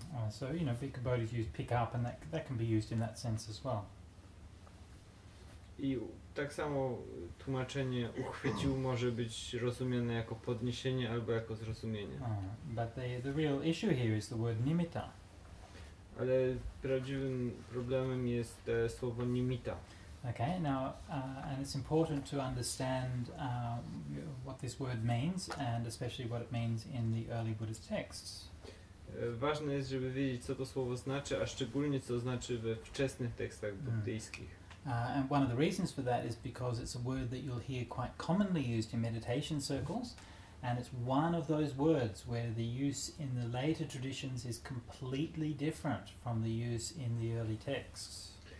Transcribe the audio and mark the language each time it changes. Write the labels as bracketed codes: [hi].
[en] So, you know, Bhikkhu Bodhi used pick up, and that can be used in that sense as well. [pl] I tak samo tłumaczenie uchwycił może być rozumiane jako podniesienie albo jako zrozumienie. [en] But the real issue here is the word nimitta. [pl] Ale prawdziwym problemem jest słowo nimitta. [en] Okay, now, and it's important to understand what this word means, and especially what it means in the early Buddhist texts. [pl] Ważne jest, żeby wiedzieć, co to słowo znaczy, a szczególnie co znaczy we wczesnych tekstach buddyjskich. [en] And one of the reasons for that is because it's a word that you'll hear quite commonly used in meditation circles, and it's one of those words where the use in the later traditions is completely different from the use in the early texts.